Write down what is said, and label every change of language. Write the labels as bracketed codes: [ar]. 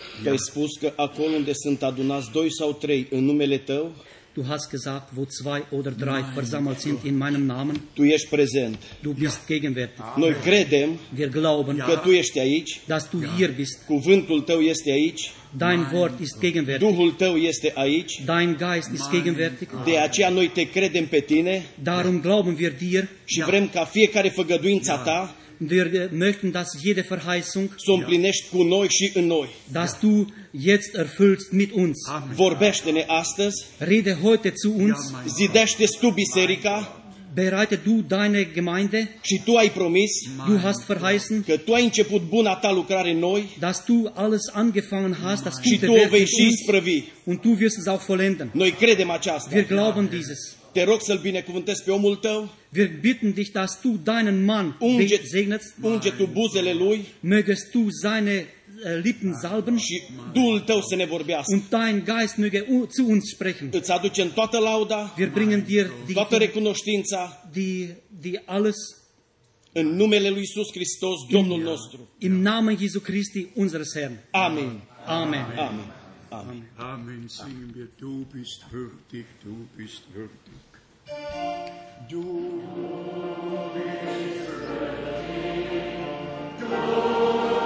[ro] Tu ai spus că acolo unde sunt adunați doi sau trei în numele tău, [de] du hast gesagt, wo zwei oder drei versammelt sind in meinem Namen. [ro] Tu ești prezent. [de] Du bist gegenwärtig. [ro] Noi credem, [de] wir glauben, [ro] că tu ești aici, [de] dass du hier bist. [ro] Cuvântul tău este aici. [de] Dein Wort ist gegenwärtig. [ro] Duhul tău este aici. [de] Dein Geist ist gegenwärtig. [ro] De aceea noi te credem pe tine. [de] Darum glauben wir dir. [ro] Și vrem ca fiecare făgăduință ta. [de] Wir möchten, dass jede Verheißung, [ro] so împlinești cu noi și în noi, [de] dass du jetzt erfüllst mit uns. [ro] Vorbește-ne astăzi. [de] Rede heute zu uns. [ro] Zidește-ți tu biserica. [de] Bereite du deine Gemeinde. [ro] Și tu ai promis. [de] Du hast verheißen. [ro] Că tu ai început buna ta lucrare în noi. [de] Dass du alles angefangen hast, das Gute. [ro] Și tu o vei și isprăvi. [de] Und du wirst es auch vollenden. [ro] Noi credem aceasta. [de] Wir glauben dieses. [ro] Te rog să-l binecuvântezi pe omul tău. [de] Wir bitten dich, dass du deinen Mann segnest. [ro] Unge tu buzele lui. [de] Mögest du seine Lippen salben. [ro] Și Duhul tău să ne vorbească. [de] Und dein Geist möge zu uns sprechen. [ro] Îți aducem toată lauda. [de] Wir bringen dir [ro] toată recunoștința. [de] Die alles. [ro] În numele lui Iisus Hristos, Domnul nostru. [de] Im Namen Jesu Christi, unseres Herrn. [ro] Amen. [de] Amen. [ro] Amen. [de] Amen. Amen. Singen wir, du bist würdig, du bist würdig. Du bist würdig.